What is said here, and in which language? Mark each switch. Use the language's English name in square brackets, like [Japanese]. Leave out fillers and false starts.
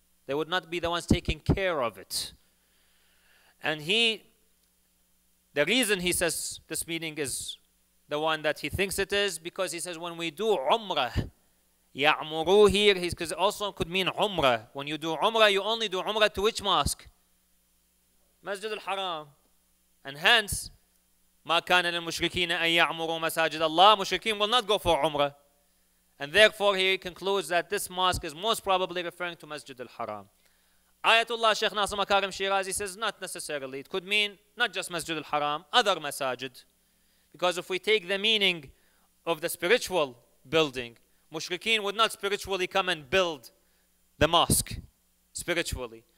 [English] They would not be the ones taking care of it. And the reason he says this meaning is the one that he thinks it is, because he says when we do Umrah, Ya'muru here, because it also could mean Umrah. When you do Umrah, you only do Umrah to which mosque? Masjid al-Haram. And hence, [Arabic] ما كان للمشركين أن يعمروا مساجد الله. [English] Mushrikeen will not go for Umrah. And therefore, he concludes that this mosque is most probably referring to Masjid al-Haram. Ayatullah Sheikh Nasir Makarem Shirazi says, not necessarily. It could mean not just Masjid al-Haram, other masajid. Because if we take the meaning of the spiritual building, Mushrikeen would not spiritually come and build the mosque spiritually.